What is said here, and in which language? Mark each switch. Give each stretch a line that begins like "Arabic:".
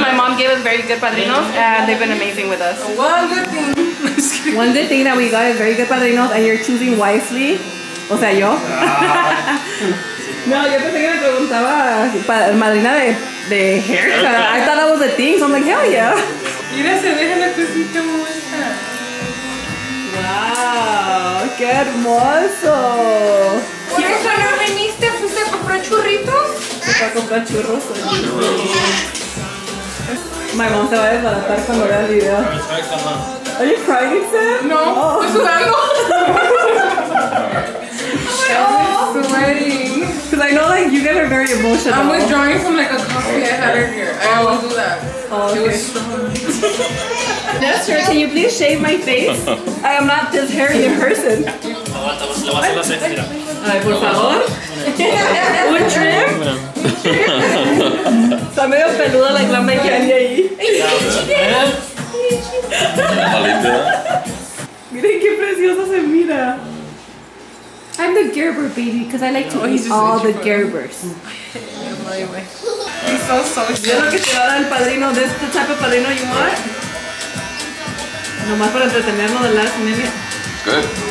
English: My mom gave us very good padrinos, and they've been amazing with us. One good thing. One good thing that we got is very good padrinos, and you're choosing wisely.
Spanish: O sea, yo. No, yo pensé que me preguntaba madrina de haircut.
English: I thought that was a thing, so I'm like, hell yeah.
Spanish: Mira, se deja la cosita. Wow, qué hermoso. ¿Por eso no viniste? ¿Fuiste a comprar churritos? Fui a comprar churros. Mi mamá se va a desbaratar cuando vea el video. ¿Estás llorando, Sam? No, estoy sudando.
English: Because I know like you guys are very emotional. I'm withdrawing from like a coffee I had earlier. I won't do that. Oh, okay. Nestor, can you please shave my face? I am not this hairy in person.
Spanish: Por favor. Un trim? Está medio peluda la glama que hay ahí. Miren qué preciosa se mira.
English: I'm the Gerber baby because I like to eat all the Gerbers. He's so excited.
Spanish: Yo lo que te va a dar el padrino,
English: this is the type of padrino you want.
Spanish: Nomás para entretenernos del
English: last minute. Good.